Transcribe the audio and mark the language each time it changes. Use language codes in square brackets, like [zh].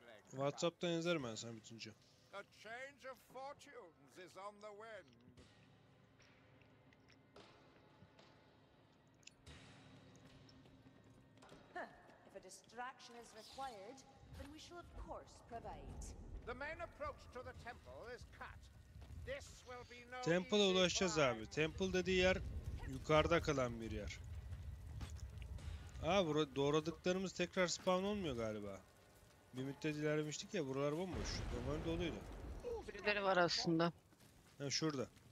[tr] WhatsApp'tan yazarım ben sana bütünce. [en] A change of fortunes is on the wind. If a distraction is required, then we shall of course provide. The main approach to the temple is cut. This will be no. [tr] Temple'a ulaşacağız abi. Temple dediği yer yukarıda kalan bir yer. Aa, burada doğradıklarımız tekrar spawn olmuyor galiba. Bir müddet ilerlemiştik ya, buralar bomboş. Normal doluydu. Birileri var aslında. Ha, şurada.